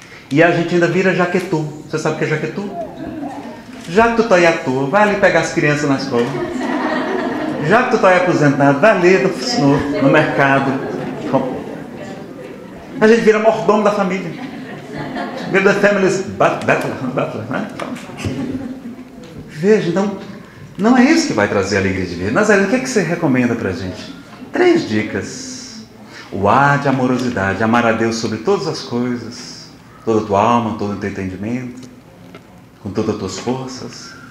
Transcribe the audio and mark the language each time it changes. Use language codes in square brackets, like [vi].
[pt] E a gente ainda vira jaquetu. Você sabe o que é jaquetu? Já que tu tá aí à toa, vai ali pegar as crianças na escola. Já que tu tá aí aposentado, vai ali no mercado. A gente vira mordomo da família. Vira [en] the family's butler, [pt] né? Veja, então, não é isso que vai trazer alegria de vida. Nazaré, o que, é que você recomenda para a gente? Três dicas. O ar de amorosidade, amar a Deus sobre todas as coisas, toda a tua alma, todo o teu entendimento, com todas as tuas forças.